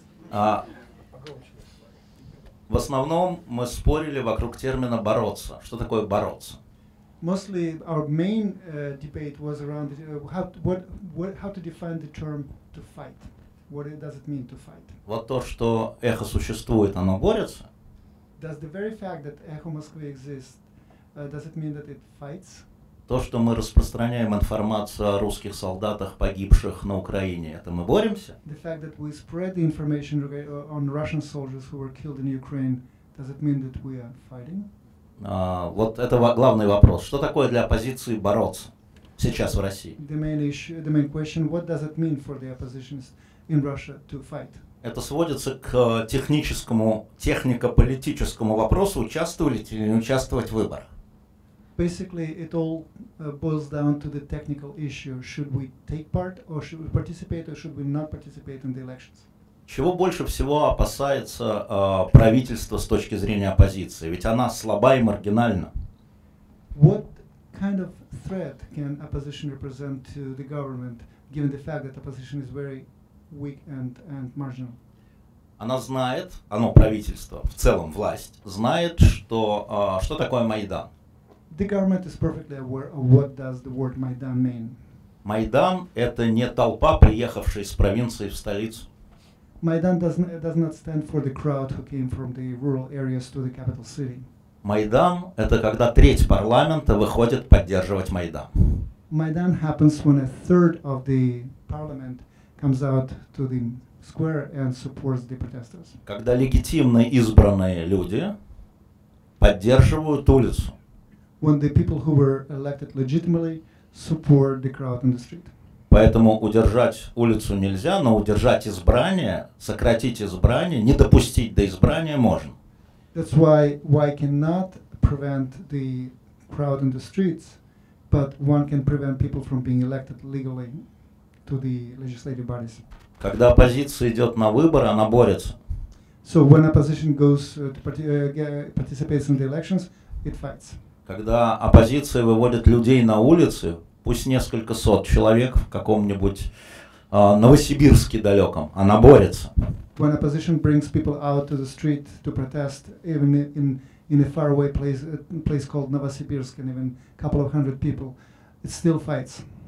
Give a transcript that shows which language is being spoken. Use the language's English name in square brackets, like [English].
[Russian] А в основном мы спорили вокруг термина «бороться». Что такое «бороться»? [English] Mostly our main debate was around how to define the term to fight. What does it mean to fight? [Russian] Вот то, что эхо существует, оно борется. [English] Does the very fact that Echo Moscow exists, does it mean that it fights? [Russian] То, что мы распространяем информацию о русских солдатах, погибших на Украине, это мы боремся? [English] The fact that we spread the information on Russian soldiers who were killed in Ukraine, does it mean that we are fighting? [Russian] Вот это главный вопрос. Что такое для оппозиции бороться сейчас в России? [English] The main question, what does it mean for the oppositions in Russia to fight? [Russian] Это сводится к техническому, технико-политическому вопросу, участвовать или не участвовать в выборах. [English] Basically, it all boils down to the technical issue. Should we take part, or should we participate, or should we not participate in the elections? [Russian] Чего больше всего опасается правительство с точки зрения оппозиции? Ведь она слаба и маргинальна. [English] What kind of threat can opposition represent to the government, given the fact that opposition is very weak and marginal. [Russian] Она знает, оно правительство, в целом власть, знает, что, что такое Майдан. [English] The government is perfectly aware of what does the word Майдан mean. [Russian] Майдан – это не толпа, приехавшая из провинции в столицу. [English] Майдан does not stand for the crowd who came from the rural areas to the capital city. [Russian] Майдан – это когда треть парламента выходит поддерживать Майдан. [English] Майдан happens when a third of the parliament comes out to the square and supports the protesters. [Russian] Когда легитимно избранные люди поддерживают улицу. [English] When the people who were elected legitimately support the crowd in the street. [Russian] Поэтому удержать улицу нельзя, но удержать избрание, сократить избрание, не допустить до избрания можно. [English] That's why cannot prevent the crowd in the streets, but one can prevent people from being elected legally to the legislative bodies. [Russian] Когда оппозиция идет на выборы, она борется. [English] So when opposition goes to participates in the elections, it fights. [Russian] Когда оппозиция выводит людей на улицы, пусть несколько сот человек в каком-нибудь Новосибирске далеком, она борется. [English] When opposition brings people out to the street to protest, even in a faraway place called Novosibirsk, and even a couple of hundred people, it still fights.